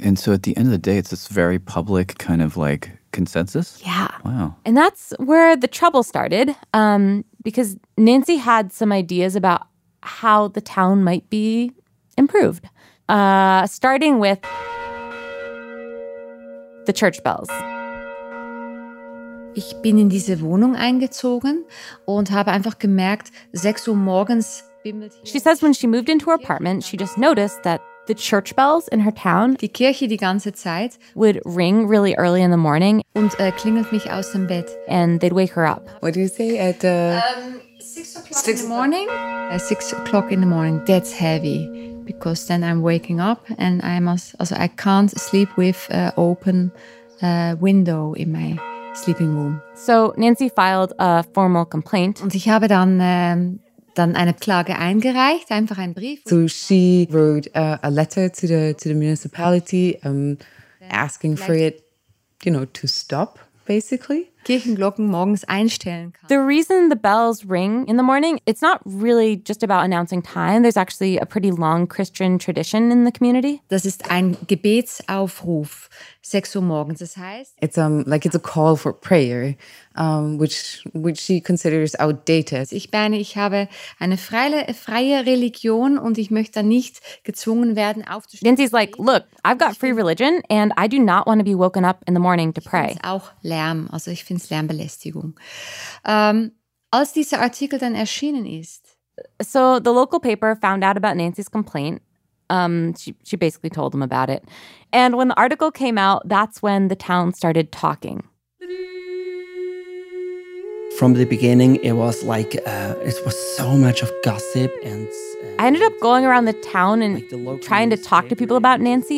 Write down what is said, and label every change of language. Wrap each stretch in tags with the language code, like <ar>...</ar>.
<en>And so at the end of the day, it's this very public kind of like consensus? Yeah. Wow. And that's where the trouble started, because Nancy had some ideas about how the town might be improved, starting with the church bells.</en> <de>Ich bin in diese Wohnung eingezogen und habe einfach gemerkt, 6 Uhr morgens.</de> <en>She says when she moved into her apartment, she just noticed that the church bells in her town,</en> <de>die Kirche die ganze Zeit,</de> <en>would ring really early in the morning</en> <de>und klingelt mich aus dem Bett,</de> <en>and they'd wake her up. What do you say at 6 o'clock in the morning? 6 o'clock in the morning. That's heavy, because then I'm waking up and I must, also I can't sleep with an open window in my sleeping room. So Nancy filed a formal complaint.</en> <de>Und ich habe dann dann eine Klage eingereicht, einfach ein Brief.</de> <en>So she wrote a letter to the municipality, asking for it, you know, to stop, basically.</en> <de>Kirchenglocken morgens einstellen kann.</de> <en>The reason the bells ring in the morning, it's not really just about announcing time. There's actually a pretty long Christian tradition in the community.</en> <de>Das ist ein Gebetsaufruf, 6 Uhr morgens. Das heißt,</de> <en>it's like it's a call for prayer, which she considers outdated.</en> <de>Ich meine, ich habe eine freie Religion und ich möchte nicht gezwungen werden aufzustehen.</de> <en>Nancy's like, look, I've got free religion and I do not want to be woken up in the morning to pray.</en> <de>Ich find's auch Lärm, also ich finde es Lärmbelästigung. Als dieser Artikel dann erschienen ist.</de> <en>So the local paper found out about Nancy's complaint. She basically told them about it. And when the article came out, that's when the town started talking. From the beginning, it was like, it was so much of gossip and I ended up going around the town and like the trying to talk to people about Nancy.</en>